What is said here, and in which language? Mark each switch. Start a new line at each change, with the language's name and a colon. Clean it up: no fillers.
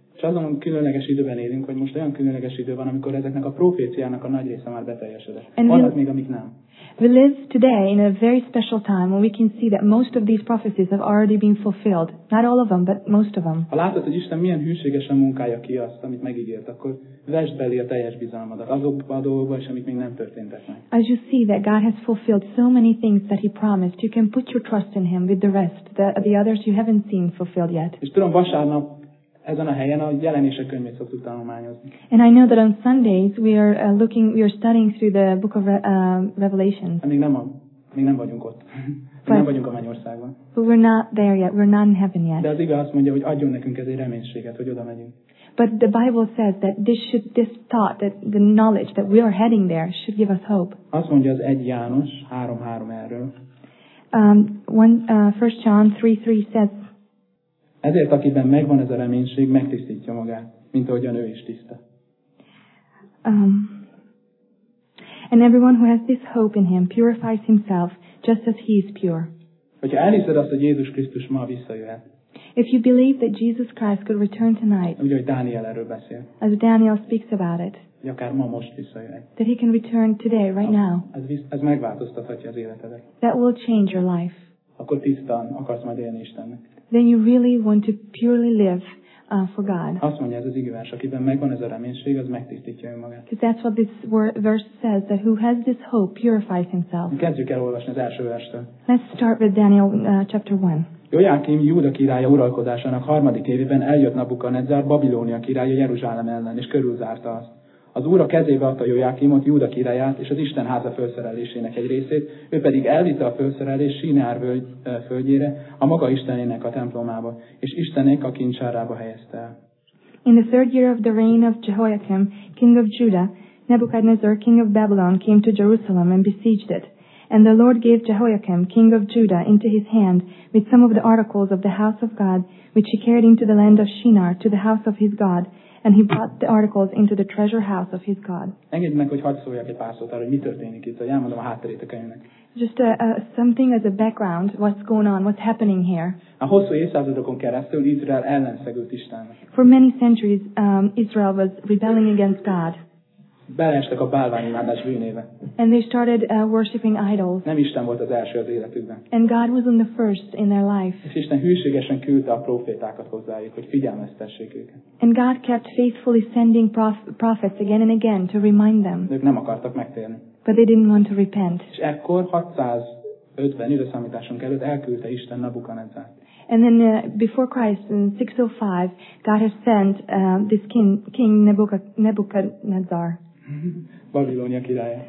Hungarian: És azon különleges időben élünk, hogy most olyan különleges idő van, amikor ezeknek a proféciának a nagy része már beteljesedett. Vannak még, amik nem.
English: We live today in a very special time when we can see that most of these prophecies have already been fulfilled. Not all of them, but most of them.
Hungarian: Ha látod, hogy Isten milyen hűségesen munkálja ki azt, amit megígért, akkor vesd belé a teljes bizalmadat azokba a dolgokba, és amik még nem történtek meg.
English: As you see that God has fulfilled so many things that He promised, you can put your trust in Him with the rest, the others you haven't seen fulfilled yet.
Hungarian: És tudom, vasárnap ezen a helyen a jelenések könyvét szoktuk tanulmányozni.
English: And I know that on Sundays we are studying through the book of Revelation.
Hungarian: Még nem vagyunk ott. But, nem vagyunk a mennyországban.
English: But we're not there yet. We're not in heaven yet.
Hungarian: De az ige azt mondja, hogy adjon nekünk ezért reménységet, hogy oda megyünk.
English: But the Bible says that this thought, that the knowledge that we are heading there should give us hope.
Hungarian: Azt mondja az 1 János 3:3 erről.
English: 1 John 3:3 says.
Hungarian: Ezért, akiben megvan ez a reménység, megtisztítja magát, mint ahogyan ő is tiszta.
English: And everyone who has this hope in him purifies himself, just as he is pure.
Hungarian: Hogyha elhiszed azt, hogy Jézus Krisztus ma visszajöhet.
English: If you believe that Jesus Christ could return tonight.
Hungarian: Úgy, hogy Dániel erről beszél.
English: As Daniel speaks about it.
Hungarian: Hogy akár ma most visszajöhet.
English: That he can return today, right now.
Hungarian: Ez megváltoztathatja az életedet.
English: That will change your life.
Hungarian: Akkor tisztán akarsz majd élni Istennek.
English: Then you really want to purely live for God.
Hungarian: Azt mondja ez az igevers, akiben megvan ez a reménység, az megtisztítja önmagát.
English: Because that's what this verse says, that who has this hope purifies himself.
Hungarian: Kezdjük el olvasni az első verstől.
English: Let's start with Daniel chapter 1.
Hungarian: Jojákim, Júda királya uralkodásának harmadik évében eljött Nabukadnezár, Babilónia királya Jeruzsálem ellen, és körülzárta azt. Az Úr a kezébe adta Jojákimot, Júda királyát, és az Isten háza felszerelésének egy részét, ő pedig elvitte a felszerelés Sínár földjére, a maga Istenének a templomába, és Istenek a kincsárába helyezte el.
English: In the third year of the reign of Jehoiakim, king of Judah, Nebuchadnezzar, king of Babylon, came to Jerusalem and besieged it. And the Lord gave Jehoiakim, king of Judah, into his hand with some of the articles of the house of God, which he carried into the land of Shinar, to the house of his God, and he brought the articles into the treasure house of his God.
Hungarian: Engedj meg, hogy hadd szóljak egy pár szót arra, hogy mi történik itt, hogy elmondom a hátterét a könyvnek.
English: Just something as a background, what's going on, what's happening here.
Hungarian: A hosszú évszázadokon keresztül Izrael ellenszegült Istennek.
English: For many centuries, Israel was rebelling against God.
Hungarian: Beleestek a bálványimádás bűnébe.
English: And they started worshiping idols.
Hungarian: Nem Isten volt az első az életükben.
English: And God wasn't the first in their life.
Hungarian: És Isten hűségesen küldte a prófétákat hozzájuk, hogy figyelmeztessék őket.
English: And God kept faithfully sending prophets again and again to remind them.
Hungarian: Ők nem akartak megtérni.
English: But they didn't want to repent.
Hungarian: És ekkor 650 időszámításunk előtt elküldte Isten Nabukadnezzárt.
English: And then before Christ in 605, God has sent this king Nebuchadnezzar.
Hungarian: Babilónia királya.